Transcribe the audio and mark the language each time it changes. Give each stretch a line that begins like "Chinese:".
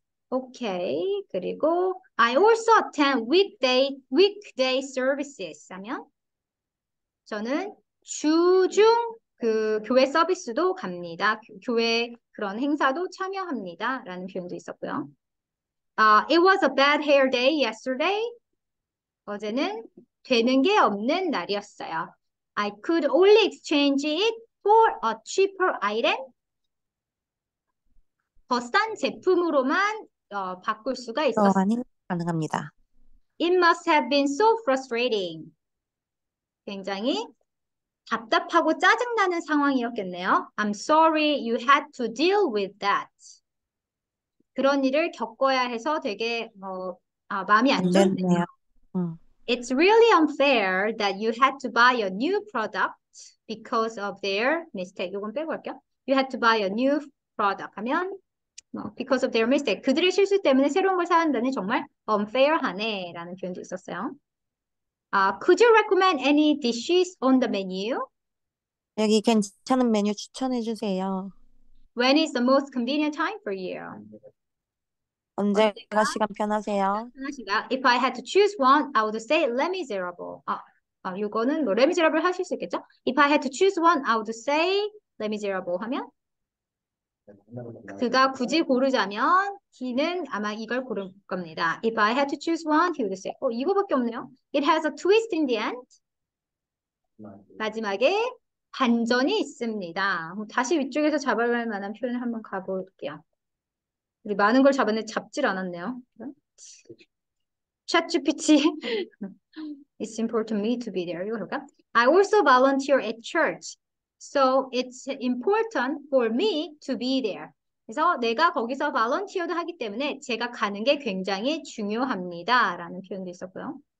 Korean: 오케이. 그리고
English: I also attend weekday services
Korean: 하면 저는 주중 그 교회 서비스도 갑니다. 교회 그런 행사도 참여합니다라는 표현도 있었고요.
English: It was a bad hair day yesterday.
Korean: 어제는 되는 게 없는 날이었어요.
English: I could only exchange it for a cheaper item.
Korean: 더싼 제품으로만 바꿀 수가 있었어요. 또한 가능합니다.
English: It must have been so frustrating.
Korean: 굉장히 답답하고 짜증나는 상황이었겠네요.
English: I'm sorry you had to deal with that.
Korean: 그런 일을 겪어야 해서 되게 마음이 안 좋네요. 안 됐네요.
English: It's really unfair that you had to buy a new product because of their mistake.
Korean: 이건 빼고 할게요.
English: You had to buy a new product
Korean: 하면
English: because of their mistake.
Korean: 그들의 실수 때문에 새로운 걸 사는다는 정말 unfair하네라는 표현도 있었어요.
English: Could you recommend any dishes on the menu?
Korean: 여기 괜찮은 메뉴 추천해 주세요.
English: When is the most convenient time for you?
Korean: 언제가 시간 편하세요?
English: If I had to choose one, I would say Les Miserables.
Korean: 이거는 뭐
English: Les Miserables
Korean: 하실 수 있겠죠?
English: If I had to choose one, I would say Les Miserables
Korean: 하면 그가 굳이 고르자면
English: he는
Korean: 아마 이걸 고를 겁니다.
English: If I had to choose one, he would say.
Korean: 이거밖에 없네요.
English: It has a twist in the end.
Korean: 마지막에 반전이 있습니다. 다시 위쪽에서 잡아갈 만한 표현을 한번 가볼게요. 우리 많은 걸 잡았는데 잡질 않았네요.
English: 챗GPT. It's important me to be there.
Korean: 이거 볼까?
English: I also volunteer at church. So it's important for me to be there.
Korean: 그래서 내가 거기서 volunteer도 하기 때문에 제가 가는 게 굉장히 중요합니다라는 표현도 있었고요.